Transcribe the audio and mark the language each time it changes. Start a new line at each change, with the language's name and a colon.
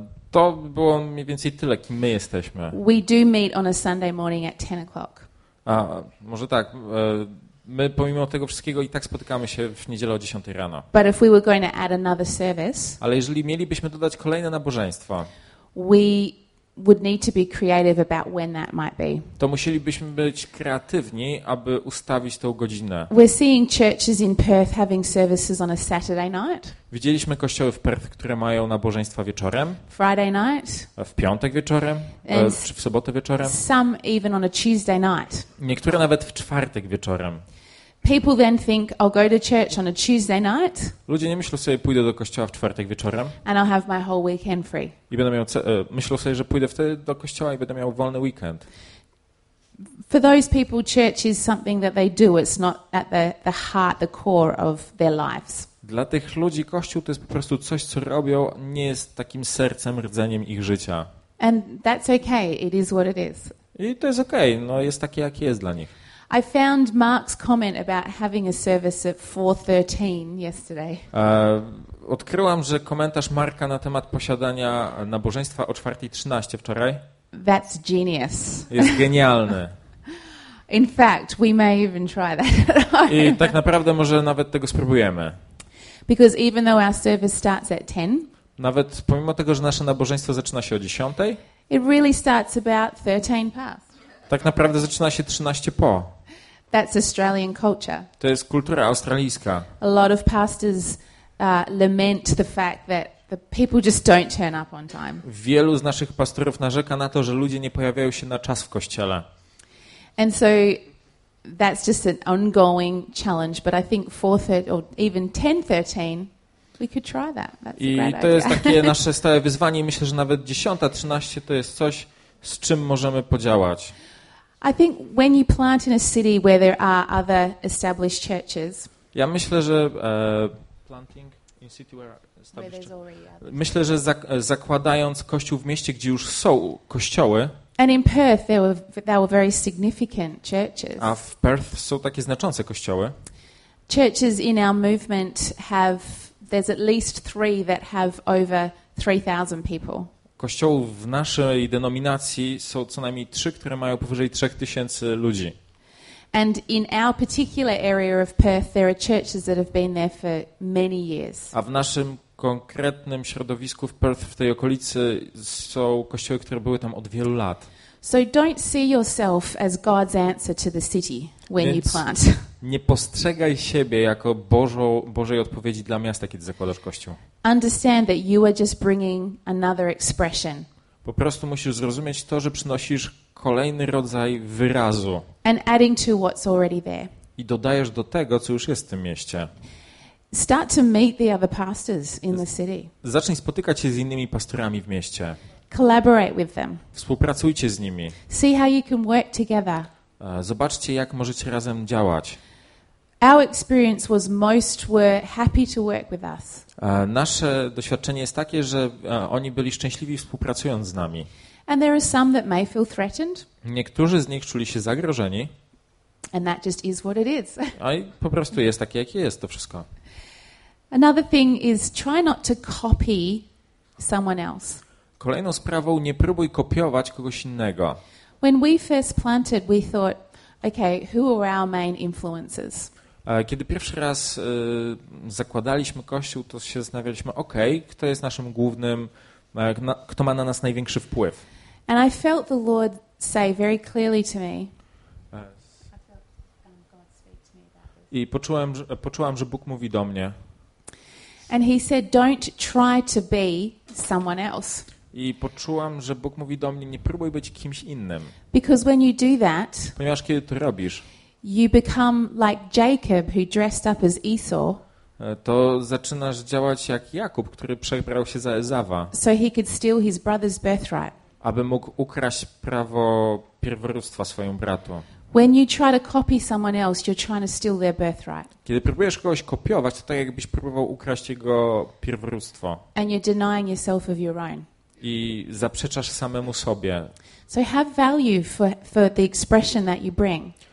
Polish: To było mniej więcej tyle, kim my jesteśmy.
English: We do meet on a Sunday morning at 10 o'clock.
Polish: A, może tak. My pomimo tego wszystkiego i tak spotykamy się w niedzielę o 10 rano.
English: But if we were going to add another service.
Polish: Ale jeżeli mielibyśmy dodać kolejne nabożeństwo.
English: We would need to be creative about when that might be.
Polish: To musielibyśmy być kreatywni, aby ustawić tą godzinę.
English: We're seeing churches in Perth having services on a Saturday night.
Polish: Widzieliśmy kościoły w Perth, które mają nabożeństwa wieczorem.
English: Friday night.
Polish: W piątek wieczorem. W sobotę wieczorem.
English: Some even on a Tuesday night.
Polish: Niektóre nawet w czwartek wieczorem.
English: People then think I'll go to church on a Tuesday night.
Polish: Ludzie nie myślą sobie, pójdę do kościoła w czwartek wieczorem.
English: And I'll have my whole weekend free.
Polish: I będę miał myślą sobie, że pójdę wtedy do kościoła i będę miał wolny weekend.
English: For those people, church is something that they do. It's not at the heart, the core of their lives.
Polish: Dla tych ludzi kościół to jest po prostu coś, co robią, nie jest takim sercem, rdzeniem ich życia.
English: And that's okay. It is what it is.
Polish: I to jest okay. No jest takie, jakie jest dla nich.
English: I found Mark's comment about having a service at 4:13 yesterday.
Polish: Odkryłam, że komentarz Marka na temat posiadania nabożeństwa o 4:13 wczoraj.
English: That's genius.
Polish: Jest genialny.
English: In fact, we may even try that.
Polish: I tak naprawdę może nawet tego spróbujemy.
English: Because even though our service starts at 10,
Polish: nawet pomimo tego, że nasze nabożeństwo zaczyna się o 10,
English: it really starts about 13 past.
Polish: Tak naprawdę zaczyna się 13 po.
English: That's Australian culture.
Polish: To jest kultura australijska.
English: A lot of pastors lament the fact that the people just don't turn up on time.
Polish: Wielu z naszych pastorów narzeka na to, że ludzie nie pojawiają się na czas w kościele.
English: And so that's just an ongoing challenge, but I think 4:13 or even 10:13 we could try that. That's
Polish: I to jest takie nasze stałe wyzwanie. Myślę, że nawet 10:13 to jest coś, z czym możemy podziałać.
English: I think when you plant in a city where there are other established churches.
Polish: Ja myślę, że
English: planting in city where established. Where there's already others.
Polish: Myślę, że zakładając kościół w mieście, gdzie już są kościoły.
English: And in Perth there were very significant churches.
Polish: A w Perth są takie znaczące kościoły.
English: Churches in our movement there's at least 3 that have over 3000 people.
Polish: Kościołów w naszej denominacji są co najmniej 3, które mają powyżej 3000 ludzi.
English: And in our particular area of Perth there are churches that have been there for many years.
Polish: A w naszym konkretnym środowisku w Perth w tej okolicy są kościoły, które były tam od wielu lat.
English: So don't see yourself as God's answer to the city when you plant.
Polish: Nie postrzegaj siebie jako Bożej odpowiedzi dla miasta, kiedy zakładasz kościół.
English: Understand that you are just bringing another expression.
Polish: Po prostu musisz zrozumieć to, że przynosisz kolejny rodzaj wyrazu.
English: And adding to what's already there.
Polish: I dodajesz do tego, co już jest w tym mieście.
English: Start to meet the other pastors in the city.
Polish: Zacznij spotykać się z innymi pastorami w mieście.
English: Collaborate with them.
Polish: Współpracujcie z nimi.
English: See how you can work together.
Polish: Zobaczcie, jak możecie razem działać.
English: Our experience was most were happy to work with us.
Polish: Nasze doświadczenie jest takie, że oni byli szczęśliwi współpracując z nami.
English: And there are some that may feel threatened.
Polish: Niektórzy z nich czuli się zagrożeni.
English: And that just is what it is.
Polish: A po prostu jest takie, jakie jest to wszystko.
English: Another thing is try not to copy someone else.
Polish: Kolejną sprawą, nie próbuj kopiować kogoś innego.
English: When we first planted, we thought, okay, who are our main influences?
Polish: Kiedy pierwszy raz zakładaliśmy kościół, to się zastanawialiśmy, okej, kto jest naszym głównym kto ma na nas największy wpływ.
English: And I felt the Lord say very clearly to me.
Polish: I poczułam, że Bóg mówi do mnie.
English: And he said, don't try to be someone else.
Polish: I poczułam, że Bóg mówi do mnie, nie próbuj być kimś innym.
English: Because when you do that,
Polish: ponieważ kiedy to robisz,
English: you become like Jacob, who dressed up as Esau.
Polish: To zaczynasz działać jak Jakub, który przebrał się za Ezawa.
English: So he could steal his brother's birthright.
Polish: Aby mógł ukraść prawo pierworództwa swojemu bratu.
English: When you try to copy someone else, you're trying to steal their birthright.
Polish: Kiedy próbujesz kogoś kopiować, to tak jakbyś próbował ukraść jego pierworództwo.
English: And you're denying yourself of your own.
Polish: I zaprzeczasz samemu sobie.
English: So have value for the expression that you bring.